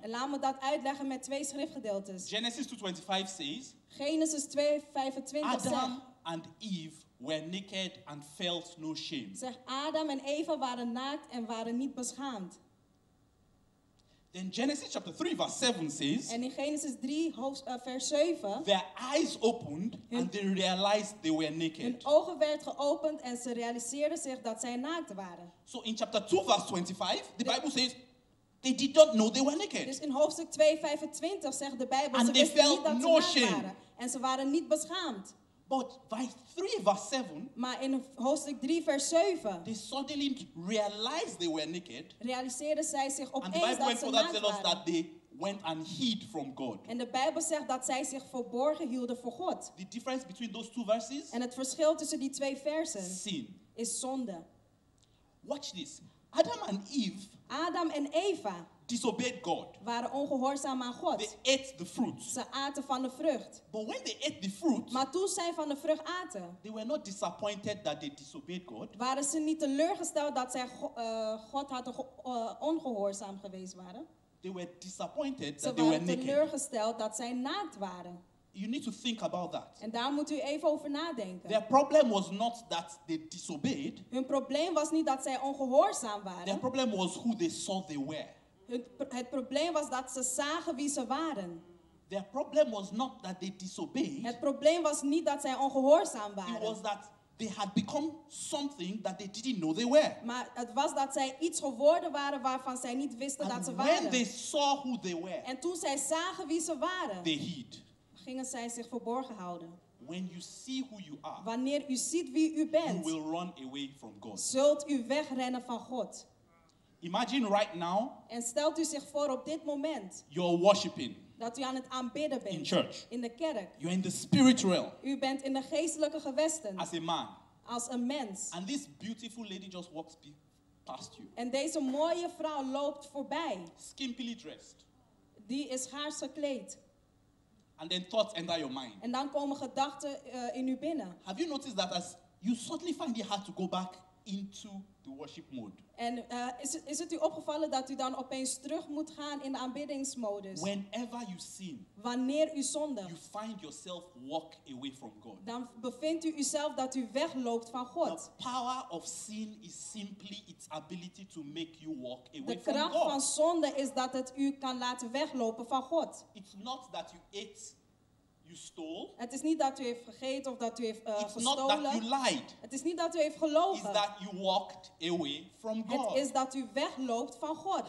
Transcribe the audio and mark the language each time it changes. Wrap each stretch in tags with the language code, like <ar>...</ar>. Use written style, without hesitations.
<nl>En laat me dat uitleggen met twee schriftgedeeltes.</nl> <en>Genesis 2:25 says.</en> <nl>Genesis 2:25 zegt.</nl> <en>and Eve were naked and felt no shame.</en> <nl>Zeg, Adam en Eva waren naakt en waren niet beschaamd.</nl> <en>Then Genesis chapter 3 verse 7 says.</en> <nl>En in Genesis 3 vers 7.</nl> <en>Their eyes opened and they realized they were naked.</en> <nl>Hun ogen werd geopend en ze realiseerden zich dat zij naakt waren.</nl> <en>So in chapter 2 verse 25 the Bible says they did not know they were naked.</en> <nl>Dus in hoofdstuk 2 25 zegt de Bijbel ze wisten niet dat ze naakt waren en ze waren niet beschaamd.</nl> <en>But by 3 verse 7.</en> <nl>Maar in hoofdstuk 3 vers 7.</nl> <en>They suddenly realized they were naked.</en> <nl>Realiseerden zij zich opeens dat ze naakt waren.</nl> <en>And the Bible tells us that they went and hid from God.</en> <nl>En de Bijbel zegt dat zij zich verborgen hielden voor God.</nl> <en>The difference between those two verses.</en> <nl>En het verschil tussen die twee versen.</nl> <en>Sin.</en> <nl>Is zonde.</nl> <en>Watch this. Adam and Eve.</en> <nl>Adam en Eva.</nl> <en>Disobeyed God.</en> <nl>Waren ongehoorzaam aan God.</nl> <en>They ate the fruit.</en> <nl>Ze aten van de vrucht.</nl> <en>But when they ate the fruit,</en> <nl>maar toen zij van de vrucht aten.</nl> <en>They were not disappointed that they disobeyed God.</en> <nl>Waren ze niet teleurgesteld dat zij God hadden ongehoorzaam geweest waren.</nl> <en>They were disappointed</en> <nl>ze</nl> <en>that</en> <nl>waren</nl> <en>they were</en> <nl>teleurgesteld</nl> <en>naked.</en> <nl>Dat zij naakt waren.</nl> <en>You need to think about that.</en> <nl>En daar moet u even over nadenken.</nl> <en>Their problem was not that they disobeyed.</en> <nl>Hun probleem was niet dat zij ongehoorzaam waren.</nl> <en>Their problem was who they saw they were.</en> <nl>Het probleem was dat ze zagen wie ze waren.</nl> <en>Their problem was not that they disobeyed.</en> <nl>Het probleem was niet dat zij ongehoorzaam waren.</nl> <en>It was that they had become something that they didn't know they were.</en> <nl>Maar het was dat zij iets geworden waren waarvan zij niet wisten</nl> <en>and</en> <nl>dat ze</nl> <en>when</en> <nl>waren.</nl> <en>They saw who they were,</en> <nl>en toen zij zagen wie ze waren,</nl> <en>they hid.</en> <nl>Gingen zij zich verborgen houden.</nl> <en>When you see who you are,</en> <nl>wanneer u ziet wie u bent,</nl> <en>you will run away from God.</en> <nl>Zult u wegrennen van God.</nl> <en>Imagine right now.</en> <nl>En stelt u zich voor op dit moment.</nl> <en>You're worshiping.</en> <nl>Dat u aan het aanbidden bent.</nl> <en>In church.</en> <nl>In de kerk.</nl> <en>You're in the spirit realm.</en> <nl>U bent in de geestelijke gewesten.</nl> <en>As a man.</en> <nl>Als een mens.</nl> <en>And this beautiful lady just walks past you.</en> <nl>En deze mooie vrouw loopt voorbij.</nl> <en>Skimpily dressed.</en> <nl>Die is gaars gekleed.</nl> <en>And then thoughts enter your mind.</en> <nl>En dan komen gedachten in u binnen.</nl> <en>Have you noticed that as you suddenly find it hard to go back into the worship mode.</en> <nl>En is het u opgevallen dat u dan opeens terug moet gaan in de aanbiddingsmodus?</nl> <en>Whenever you sin,</en> <nl>wanneer u zondigt,</nl> <en>you find yourself walk away from God.</en> <nl>Dan bevindt u uzelf dat u wegloopt van God.</nl> <en>The power of sin is simply its ability to make you walk away from God.</en> <nl>De kracht van zonde is dat het u kan laten weglopen van God.</nl> <en>It's not that you ate. You stole.</en> <nl>Het is niet dat u heeft gegeten of dat u heeft gestolen.</nl> <en>Not that you lied.</en> <nl>Het is niet dat u heeft gelogen.</nl> <en>It's that you walked away from God.</en> <nl>Het is dat u wegloopt van God.</nl>